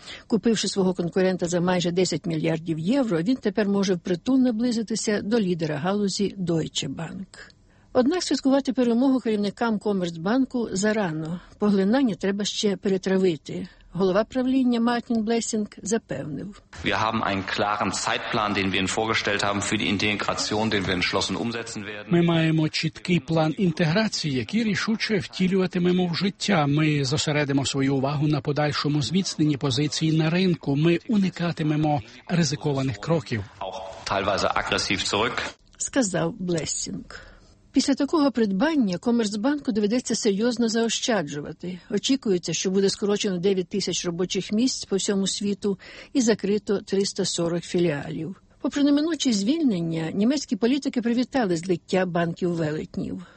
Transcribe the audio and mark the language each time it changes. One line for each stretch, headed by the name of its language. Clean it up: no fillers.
Ukrainian: Купивши свого конкурента за майже 10 мільярдів євро, він тепер може впритул наблизитися до лідера галузі Deutsche Bank. Однак святкувати перемогу керівникам Commerzbanku зарано. Поглинання треба ще перетравити. Голова правління Мартін Блесінг запевнив.
German: Wir haben einen klaren Zeitplan, den wir Ihnen vorgestellt haben für die Integration, den wir entschlossen umsetzen werden.
Ukrainian: Ми маємо чіткий план інтеграції, який рішуче втілюватимемо в життя. Ми зосередимо свою увагу на подальшому зміцненні позиції на ринку. Ми уникатимемо ризикованих кроків.
German: Auch teilweise aggressiv zurück.
Ukrainian: Сказав Блесінг. Після такого придбання Commerzbanku доведеться серйозно заощаджувати. Очікується, що буде скорочено 9 тисяч робочих місць по всьому світу і закрито 340 філіалів. Попри неминучі звільнення, німецькі політики привітали злиття банків-велетнів.